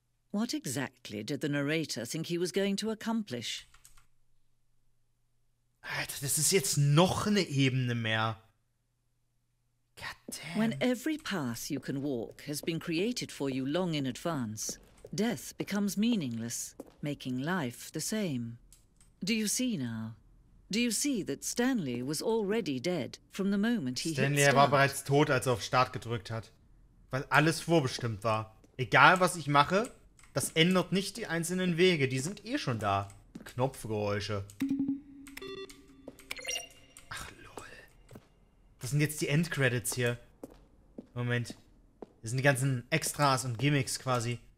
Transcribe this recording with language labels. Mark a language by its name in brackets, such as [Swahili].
[English] What exactly did the narrator think he was going to accomplish? [German] Alter, das ist jetzt noch eine Ebene mehr. [English] When every path you can walk has been created for you long in advance, death becomes meaningless, making life the same. Do you see now? Do you see that Stanley was already dead from the moment he Stanley hit start? [German] War bereits tot, als er auf Start gedrückt hat, weil alles vorbestimmt war. Egal was ich mache, das ändert nicht die einzelnen Wege, die sind eh schon da. Knopfgeräusche. Das sind jetzt die Endcredits hier. Moment. Das sind die ganzen Extras und Gimmicks quasi.